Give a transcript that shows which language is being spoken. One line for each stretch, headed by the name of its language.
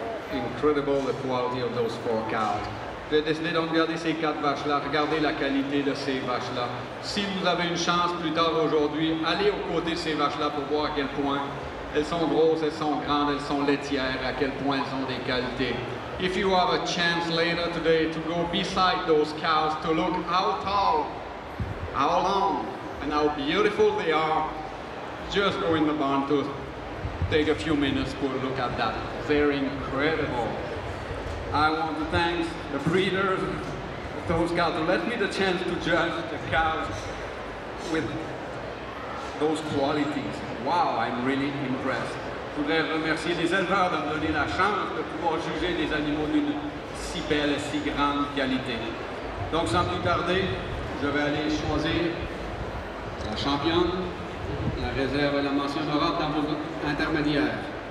English: Incredible the quality of those 4 cows.
French: J'ai décidé donc de garder ces 4 vaches-là. Regardez la qualité de ces vaches-là. Si vous avez une chance plus tard aujourd'hui, allez aux côtés de ces vaches-là pour voir à quel point elles sont grosses, elles sont grandes, elles sont laitières, à quel point elles ont des qualités.
English: If you have a chance later today to go beside those cows to look how tall, how long, and how beautiful they are, just go in the barn to take a few minutes to look at that. They're incredible. I want to thank the breeders, those cows, to let me the chance to judge the cows with those qualities. Wow, I'm really impressed.
French: Je voudrais remercier les éleveurs de me donner la chance de pouvoir juger des animaux d'une si belle et si grande qualité. Donc sans plus tarder, je vais aller choisir la championne, la réserve et la mention honorable dans votre intermédiaire.